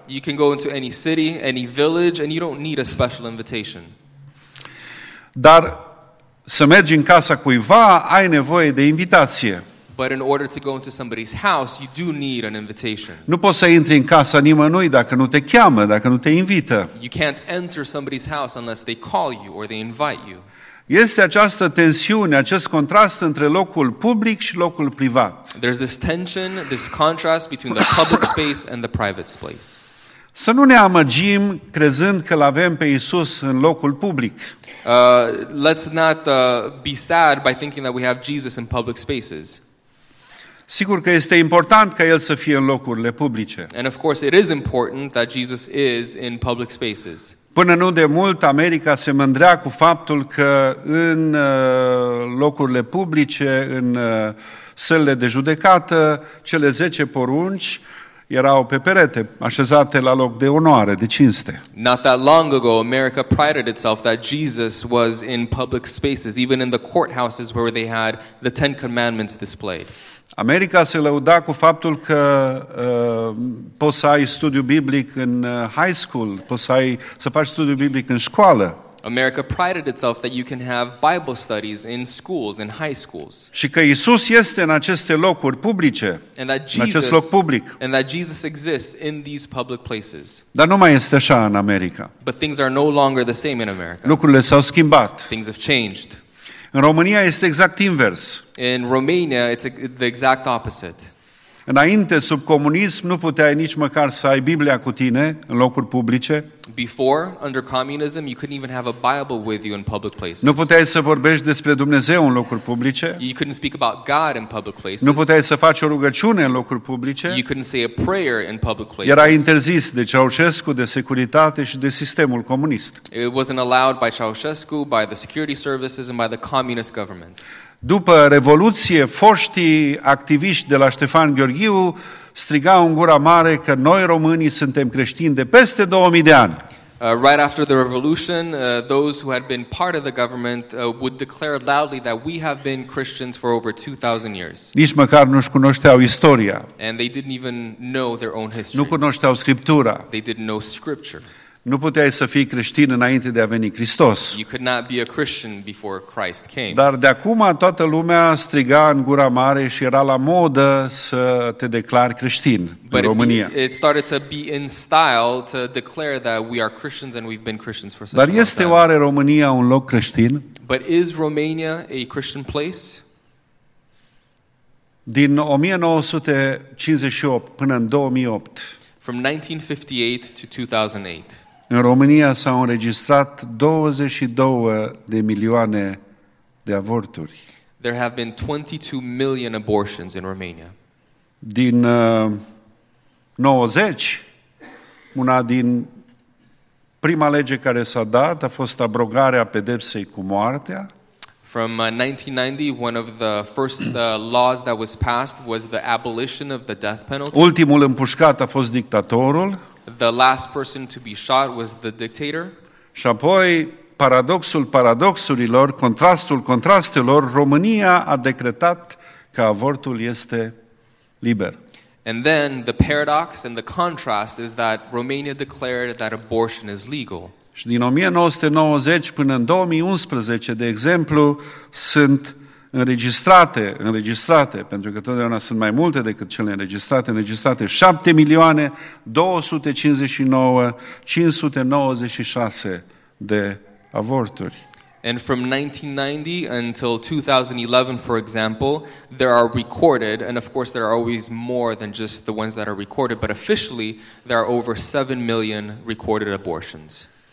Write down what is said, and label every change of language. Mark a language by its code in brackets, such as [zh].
[en] You can go into any city, any village, and you don't need a special invitation. [ro] Dar să mergi în casa cuiva, ai nevoie de invitație. [en] But in order to go into somebody's house, you do need an invitation. [ro] Nu poți să intri în casa nimănui dacă nu te cheamă, dacă nu te invită. [en] You can't enter somebody's house unless they call you or they invite you. [ro] Este această tensiune, acest contrast între locul public și locul privat. [en] There's this tension, this contrast between the public space and the private space. [ro] Să nu ne amăgim crezând că l-avem pe Iisus în locul public. [en] Let's not be sad by thinking that we have Jesus in public spaces. [ro] Sigur că este important ca el să fie în locurile publice. [en] And of course it is important that Jesus is in public spaces. [ro] Până nu de mult, America se mândrea cu faptul că în locurile publice, în sălile de judecată, cele 10 porunci erau pe perete, așezate la loc de onoare, de cinste. [en] Not that long ago, America prided itself that Jesus was in public spaces, even in the courthouses where they had the Ten Commandments displayed. [ro] America se lăuda cu faptul că poți să ai studiu biblic în high school, poți să ai să faci studiu biblic în școală. [en] America prided itself that you can have Bible studies in schools, in high schools. [ro] Și că Isus este în aceste locuri publice, [en] and that Jesus, [ro] în acest loc public. [en] And that Jesus exists in these public places. [ro] Dar nu mai este așa în America. [en] But things are no longer the same in America. [ro] Lucrurile s-au schimbat. [en] Things have changed. [ro] În România este exact invers. [en] In Romania, it's the exact opposite. [ro] Înainte, sub comunism, nu puteai nici măcar să ai Biblia cu tine în locuri publice. [en] Before, under communism, you couldn't even have a Bible with you in public places. [ro] Nu puteai să vorbești despre Dumnezeu în locuri publice. [en] You couldn't speak about God in public places. [ro] Nu puteai să faci o rugăciune în locuri publice. [en] You couldn't say a prayer in public places. [ro] Era interzis de Ceaușescu, de securitate și de sistemul comunist. [en] It wasn't allowed by Ceaușescu, by the security services, and by the communist government. [ro] După Revoluție, foștii activiști de la Ștefan Gheorghiu strigau în gura mare că noi românii suntem creștini de peste 2000 de ani. [en] Right after the revolution, those who had been part of the government would declare loudly that we have been Christians for over 2000 years. [ro] Nici măcar nu-și cunoșteau istoria. [en] And they didn't even know their own history. [ro] Nu cunoșteau Scriptura. [en] They didn't know Scripture. [ro] Nu puteai să fii creștin înainte de a veni Hristos. [en] You could not be a Christian before Christ came. [ro] Dar de acum toată lumea striga în gura mare și era la modă să te declari creștin în România. [en] It started to be in style to declare that we are Christians and we've been Christians for such a long time. [ro] Dar este oare România un loc creștin? [en] But is Romania a Christian place? [ro] Din 1958 până în 2008. [en] From 1958 to 2008. [ro] În România s-au înregistrat 22 de milioane de avorturi. [en] There have been 22 million abortions in Romania. [ro] Din 90, una din prima lege care s-a dat a fost abrogarea pedepsei cu moartea. [en] From 1990, one of the first laws that was passed was the abolition of the death penalty. [ro] Ultimul împușcat a fost dictatorul. [en] The last person to be shot was the dictator. [ro] Și apoi, paradoxul paradoxurilor, contrastul contrastelor, România a decretat că avortul este liber. [en] And then the paradox and the contrast is that Romania declared that abortion is legal. [ro] Și din 1990 până în 2011, de exemplu, sunt înregistrate, pentru că totdeauna sunt mai multe decât cele înregistrate, 7.259.596 de avorturi. [en] And from 1990 until 2011, for example, there are recorded, and of course there are always more than just the ones that are recorded, but officially there are over 7 million recorded abortions.